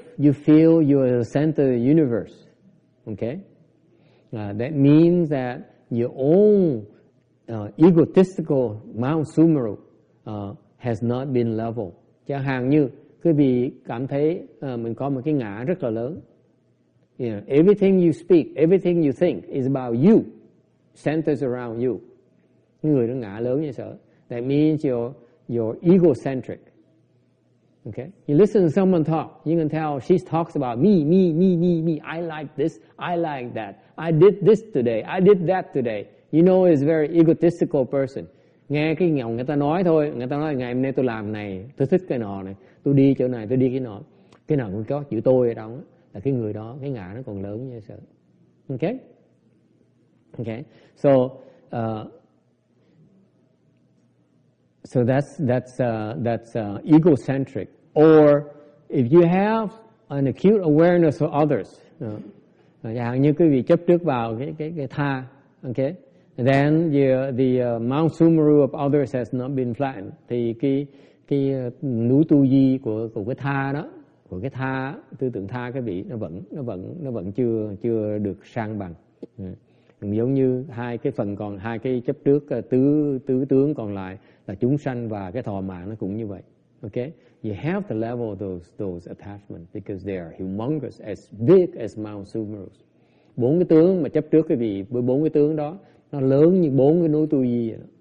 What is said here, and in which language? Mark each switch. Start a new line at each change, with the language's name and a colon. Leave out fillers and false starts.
English: you feel you are the center of the universe. Okay? That means that your own egotistical Mount Sumeru has not been leveled.
Vietnamese: Chẳng hạn như quý vị cảm thấy mình có một cái ngã rất là lớn.
English: You know, everything you speak, everything you think is about you, centers around you.
Vietnamese: Người nó ngã lớn như sợ.
English: That means you're egocentric.
Vietnamese: Okay?
English: You listen to someone talk, you can tell she talks about me. I like this, I like that. I did this today, I did that today. You know, it's a very egotistical person.
Vietnamese: Nghe cái giọng người ta nói thôi, người ta nói ngày hôm nay tôi làm này, tôi thích cái nọ này, tôi đi chỗ này, tôi đi cái nọ cũng có chữ tôi ở trong, là cái người đó, cái ngã nó còn lớn như sợ.
English: Okay? Okay? So, so that's egocentric. Or, if you have an acute awareness of others,
Vietnamese: hẳn như quý vị chấp trước vào cái tha,
English: okay? Then the Mount Sumeru of others has not been flattened.
Vietnamese: Thì cái núi tu di của cái tha đó, của cái tha, tư tưởng tha cái vị nó vẫn chưa được sang bằng. Giống như hai cái chấp trước tứ tướng còn lại là chúng sanh và cái thọ mạng nó cũng như vậy.
English: Okay? You have to level those attachments because they are humongous, as big as Mount Sumeru.
Vietnamese: Bốn cái tướng mà chấp trước cái vị với bốn cái tướng đó nó lớn như bốn cái núi tu di vậy.